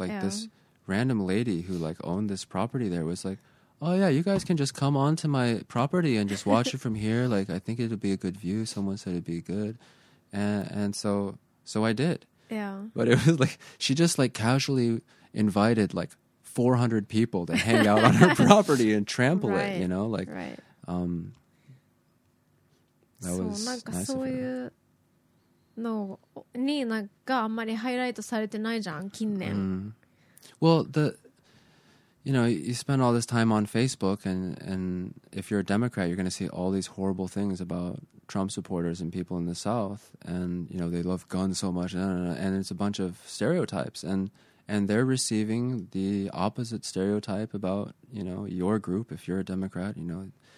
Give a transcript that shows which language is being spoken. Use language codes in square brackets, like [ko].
[en] like, yeah, this random lady who like owned this property there was like, oh yeah, you guys can just come onto my property and just watch it from here, like I think it'll be a good view, someone said it'd be good, and so I did. Yeah, but it was like she just like casually invited like 400 people to hang out on her property and trample, right, it, you know, like, right. That so, was [ja] なんか [en] nice [ja] そういうのになんかあんまりハイライトされてないじゃん近年。 [en] Well, the, you know, you spend all this time on Facebook, and if you're a Democrat, you're going to see all these horrible things about Trump supporters and people in the South, and, you know, they love guns so much, and it's a bunch of stereotypes, and they're receiving the opposite stereotype about, you know, your group if you're a Democrat, you know.